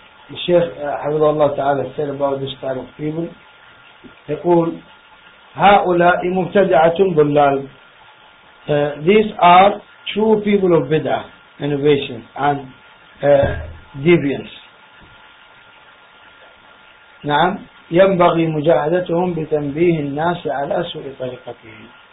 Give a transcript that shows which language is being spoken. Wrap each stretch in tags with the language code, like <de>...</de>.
<ar>الشيخ حفظه الله تعالى السير باودش تعرف فيه يقول هؤلاء مبتدعة ضلال.</ar> <en>These are true people of bid'ah, innovation and deviance.</en> <ar>نعم ينبغي مجاهدتهم بتنبيه الناس على سوء طريقتهم.</ar>